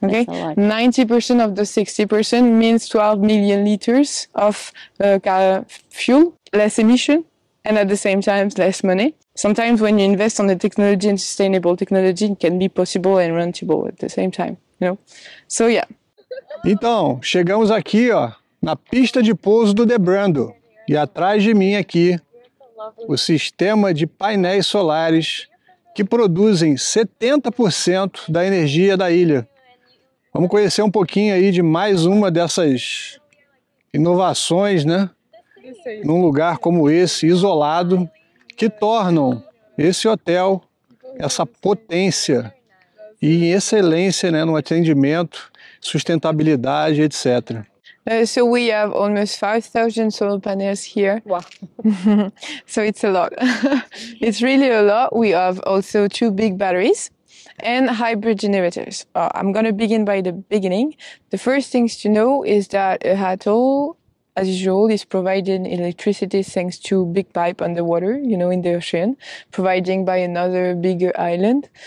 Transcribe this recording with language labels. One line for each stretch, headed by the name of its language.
English: Okay, 90% of the 60% means 12 million liters of fuel, less emission, and at the same time, less money. Sometimes when you invest on the technology and sustainable technology, it can be possible and rentable at the same time, you know? So, yeah.
Portuguese: Então, chegamos aqui, ó, na pista de pouso do The Brando. E atrás de mim aqui, o sistema de painéis solares que produzem 70% da energia da ilha. Vamos conhecer um pouquinho aí de mais uma dessas inovações, né? Num lugar como esse, isolado, que tornam esse hotel essa potência e excelência, né, no atendimento, sustainability, etc.
English: So we have almost 5,000 solar panels here. Wow. So it's a lot. It's really a lot. We have also two big batteries and hybrid generators. I'm going to begin by the beginning. The first things to know is that a atoll, as usual, is providing electricity thanks to big pipe underwater, you know, in the ocean, providing by another bigger island.